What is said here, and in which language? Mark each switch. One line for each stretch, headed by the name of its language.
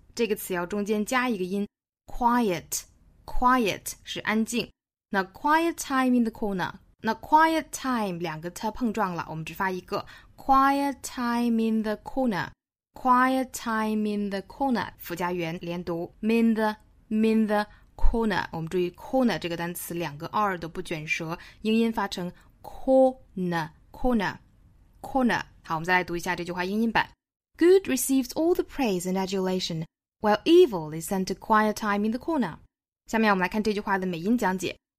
Chinese: 这个词要中间加一个音 quiet quiet 是安静，那
English: quiet time in the corner，
Chinese: 那 quiet time 两个 t 碰撞了，我们只发一个 quiet time in the corner， quiet time in the corner 附加元连读 in the corner。我们注意 corner 这个单词两个 r 都不卷舌，英音发成 corner corner corner。好，我们再来读一下这句话英音版。
English: Good receives all the praise and adulationWhile evil is sent to quiet time in the corner.
Chinese: 下面我们来看这句话的美音讲解。